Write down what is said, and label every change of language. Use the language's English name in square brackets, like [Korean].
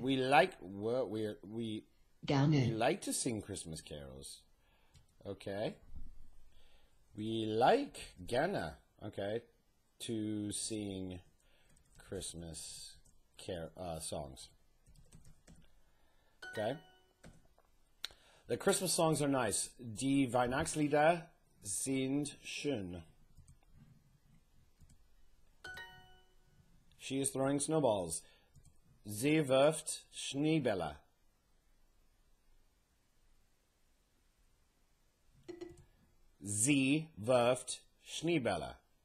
[English] We like we like to sing Christmas carols. Okay. We like gerne, okay, to sing Christmas songs. Okay. The Christmas songs are nice. [German] Die Weihnachtslieder sind schön. [English] She is throwing snowballs. [German] Sie wirft Schneebälle. Sie wirft Schneebälle.